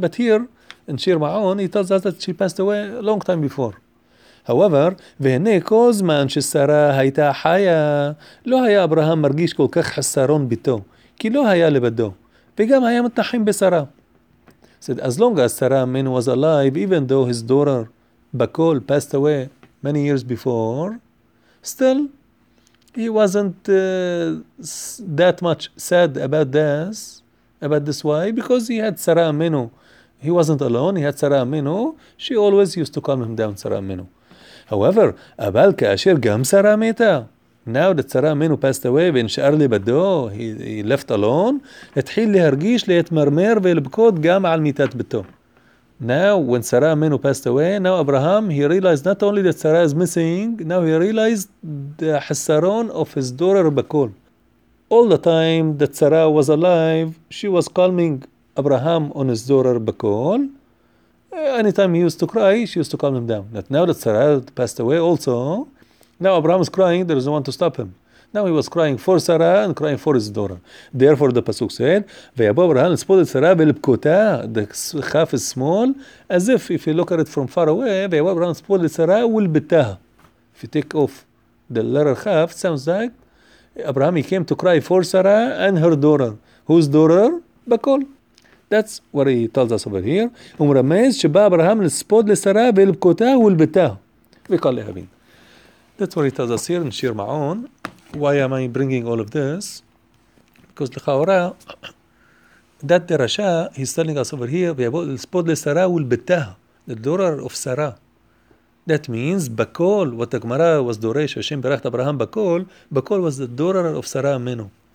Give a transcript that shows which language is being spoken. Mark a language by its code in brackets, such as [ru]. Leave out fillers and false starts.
[en] But here in Shir Ma'on he tells us that she passed away a long time before. [he] However, והנה כל זמן ששרה הייתה חיה, לא היה אברהם מרגיש כל כך חסרון ביתו, כי לא היה לבדו, וגם היה מתנחים בשרה. [en] Said, as long as Sarah Amin was alive, even though his daughter Bakol passed away many years before, still, he wasn't that much sad about this wife, because he had Sarah Amin. He wasn't alone, he had Sarah Amin. She always used to calm him down, Sarah Amin. However, [he] אבל כאשר גם שרה מתה, [en] now that שרה אמינו passed away [he] ונשאר לבדו, [en] he left alone, [he] התחיל להרגיש להתמרמר ולבכות גם על מיטת ביתו. [en] Now, when שרה אמינו passed away, now Abraham, he realized not only that שרה is missing, now he realized the חסרון of his daughter בכל. All the time that שרה was alive, she was calming Abraham on his daughter בכל. Anytime he used to cry, she used to calm him down. But now that Sarah passed away also, now Abraham is crying, there is no one to stop him. Now he was crying for Sarah and crying for his daughter. Therefore the Pasuk said, V'yabo Abraham spotted Sarah v'lipkota, the chaf is small, as if you look at it from far away, V'yabo Abraham spotted Sarah v'lipkota. If you take off the letter chaf, it sounds like Abraham he came to cry for Sarah and her daughter. Whose daughter? Bakol. That's what he tells us over here. [he] הוא מרמז שבא אברהם לספוד לשרה ולבכותה ולבתה. וכל להבין. [en] That's what he tells us here in Shir Ma'on. Why am I bringing all of this? Because לכאורה, that דרשה, he's telling us over here, [he] ויבוא לספוד לשרה ולבתה. [en] The daughter of Sarah. That means, בכל, what the Gemara was דורש, [he] השם ברכת אברהם בכל, [en] בכל was the daughter of Sarah Amenu.